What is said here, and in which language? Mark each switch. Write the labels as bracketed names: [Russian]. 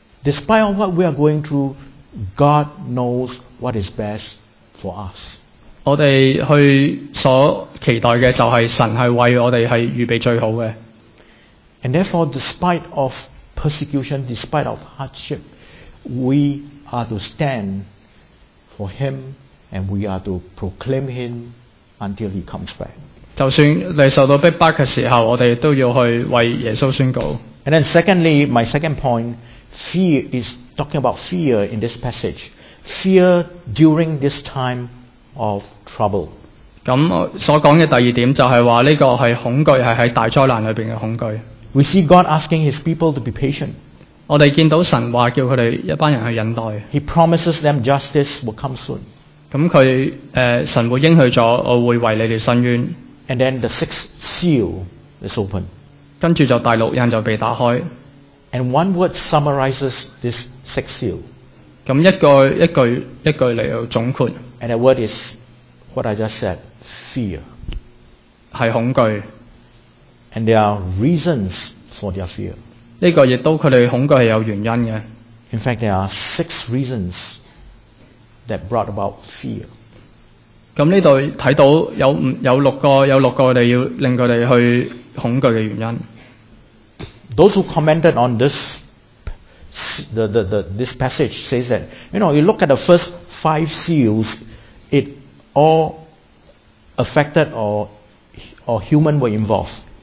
[English] Despite what we are going through, God knows what is best for us. [Cantonese] 我哋去所期待嘅就系神系为我哋系预备最好嘅。 [English] And therefore, despite of persecution, despite of hardship, we are to stand for Him, and we are to proclaim Him until He comes back. [Cantonese] 就算你受到逼迫嘅时候，我哋都要去为耶稣宣告。 [English] And then secondly, my second point, fear is talking about fear in this passage. Fear during this time of trouble. [Cantonese] 咁所讲嘅第二点就系话呢个系恐惧，系喺大灾难里边嘅恐惧。 [English] We see God asking His people to be patient. [Cantonese] 我哋见到神话叫佢哋一班人去忍耐。 [English] He promises them justice will come soon. [Cantonese] 咁佢神会应许咗，我会为你哋伸冤。 [English] And then the sixth seal is open. [Cantonese] 跟住就第六印就被打开。 [English] And one word summarizes this sixth seal. [Cantonese] 咁一句嚟到总括。 [English] And the word is what I just said, fear. [Cantonese] 系恐惧。 [English] And there are reasons for their fear. [Cantonese] 呢个亦都佢哋恐惧系有原因嘅。 [English] In fact, there are six reasons that brought about fear. [Cantonese] 咁呢度睇到有六个佢哋要令佢哋去恐惧嘅原因。 [English] Those who commented on this, this passage says that, you know, you look at the first five seals, it all affected or human were involved.